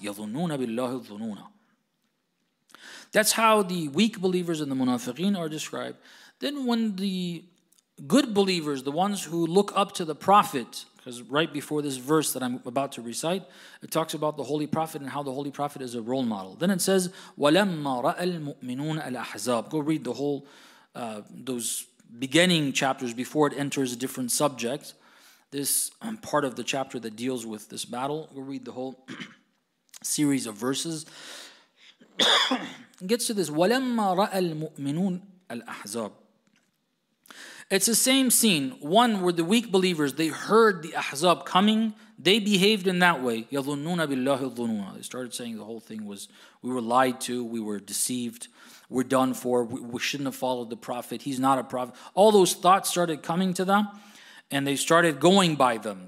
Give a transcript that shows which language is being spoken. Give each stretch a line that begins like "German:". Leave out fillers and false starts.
Arabic: يَظُنُّونَ بِاللَّهِ الظُّنُونَ.
English: That's how the weak believers and the munafiqeen are described. Then when the good believers, the ones who look up to the Prophet, because right before this verse that I'm about to recite, it talks about the Holy Prophet and how the Holy Prophet is a role model. Then it says,
Arabic: وَلَمَّا رَأَ الْمُؤْمِنُونَ الْأَحْزَابِ.
English: Go read the whole, those beginning chapters before it enters a different subject. This part of the chapter that deals with this battle. Go read the whole series of verses. It gets to this,
Arabic: وَلَمَّا رَأَ الْمُؤْمِنُونَ الْأَحْزَابِ.
English: It's the same scene. One where the weak believers, they heard the Ahzab coming. They behaved in that way.
Arabic: يَظُنُّونَ بِاللَّهِ الظُّنُونَ.
English: They started saying the whole thing was, we were lied to, we were deceived, we're done for, we shouldn't have followed the Prophet, he's not a prophet. All those thoughts started coming to them, and they started going by them.